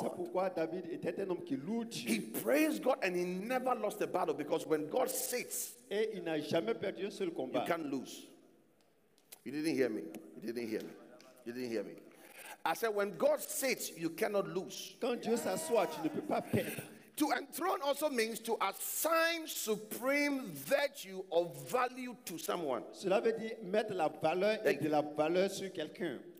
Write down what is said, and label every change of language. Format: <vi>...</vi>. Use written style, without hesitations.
<fr>C'est pourquoi David était un homme qui loue Dieu.</fr> <en>He praised God and he never lost a battle because when God sits,</en> <fr>et il n'a jamais perdu un seul combat.</fr> <en>You can't lose. You didn't hear me. You didn't hear me. You didn't hear me. I said when God sits, you cannot lose.</en> <fr>Quand Dieu s'assoit, tu ne peux pas perdre.</fr> <en>To enthrone also means to assign supreme virtue or value to someone.</en> <fr>Cela veut dire mettre la valeur et de la valeur sur quelqu'un.</fr>